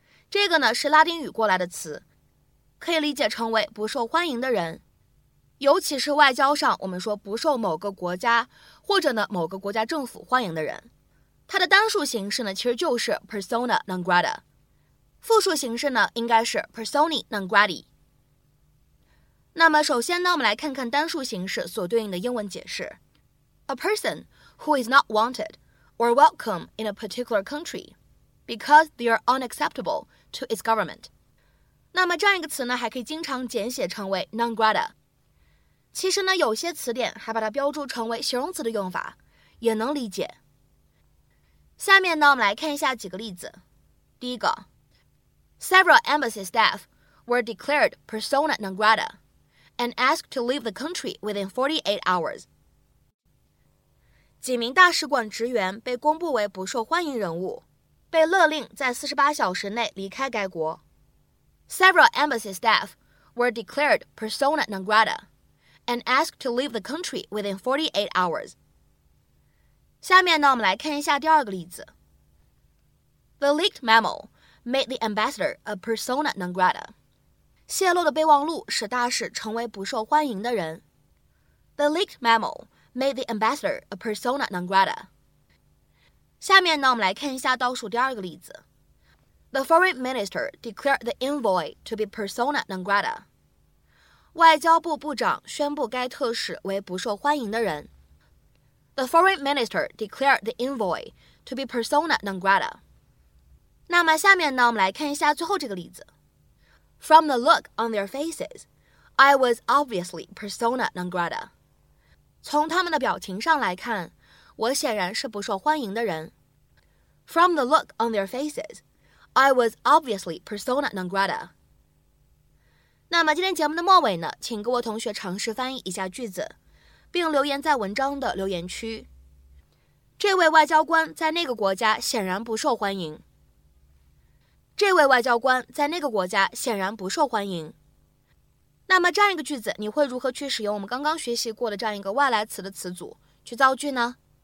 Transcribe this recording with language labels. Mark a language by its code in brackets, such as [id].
[zh] 这个呢是拉丁语过来的词，可以理解成为不受欢迎的人，尤其是外交上我们说不受某个国家或者呢某个国家政府欢迎的人。它的单数形式呢其实就是 persona non grata， 复数形式呢应该是 personi non grati。那么首先呢，我们来看看单数形式所对应的英文解释。 [en] A person who is not wanted or welcome in a particular country because they are unacceptable to its government。 [zh] 那么这样一个词呢，还可以经常简写成为 non grata。其实呢，有些词典还把它标注成为形容词的用法，也能理解。下面呢，我们来看一下几个例子。第一个 [en] ，Several embassy staff were declared persona non grata and asked to leave the country within 48 hours。 [zh] 几名大使馆职员被公布为不受欢迎人物，被勒令在48小时内离开该国。 [en] Several embassy staff were declared persona non grata and asked to leave the country within 48 hours. [zh] 下面呢，我们来看一下第二个例子。 [en] The leaked memo made the ambassador a persona non grata. [zh] 泄露的备忘录使大使成为不受欢迎的人。 [en] The leaked memo made the ambassador a persona non grata. [zh] 下面呢，我们来看一下倒数第二个例子。 [en] The foreign minister declared the envoy to be persona non grata. [zh] 外交部部长宣布该特使为不受欢迎的人。 [en] The foreign minister declared the envoy to be persona non grata. [zh] 那么下面呢，我们来看一下最后这个例子。 [en] From the look on their faces, I was obviously persona non grata. [zh] 从他们的表情上来看，我显然是不受欢迎的人。 [en] From the look on their faces,I was obviously persona non grata. [zh] 那么今天节目的末尾呢，请各位同学尝试翻译一下句子，并留言在文章的留言区。这位外交官在那个国家显然不受欢迎。这位外交官在那个国家显然不受欢迎。那么这样一个句子，你会如何去使用我们刚刚学习过的这样一个外来词的词组去造句呢？